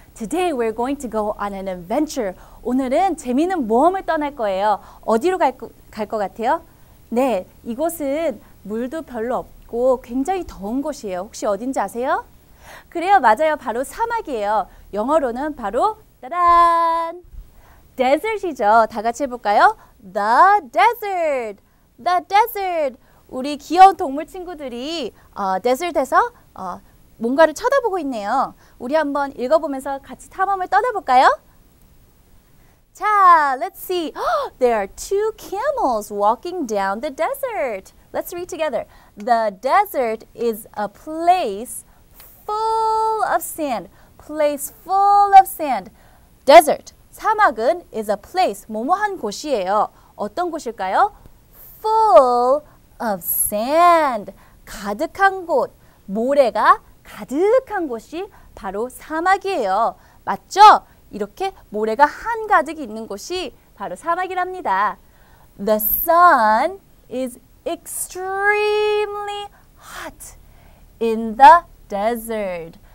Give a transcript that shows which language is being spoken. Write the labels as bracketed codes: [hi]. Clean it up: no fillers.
[en] Today we're going to go on an adventure. [ko] 오늘은 재미있는 모험을 떠날 거예요. 어디로 갈 것 같아요? 네, 이곳은 물도 별로 없고 굉장히 더운 곳이에요. 혹시 어딘지 아세요? 그래요, 맞아요. 바로 사막이에요. 영어로는 바로 따란! Desert이죠. 다 같이 해볼까요? [en] The desert! The desert! [ko] 우리 귀여운 동물 친구들이 데서트에서 뭔가를 쳐다보고 있네요. 우리 한번 읽어보면서 같이 탐험을 떠나볼까요? 자, [en] let's see. There are two camels walking down the desert. Let's read together. The desert is a place full of sand. Place full of sand. Desert, [ko] 사막은 [en] is a place, [ko] 뭐뭐한 곳이에요. 어떤 곳일까요? [en] Full of sand, [ko] 가득한 곳, 모래가 가득한 곳이 바로 사막이에요. 맞죠? 이렇게 모래가 한가득 있는 곳이 바로 사막이랍니다. [en] The sun is extremely hot in the desert.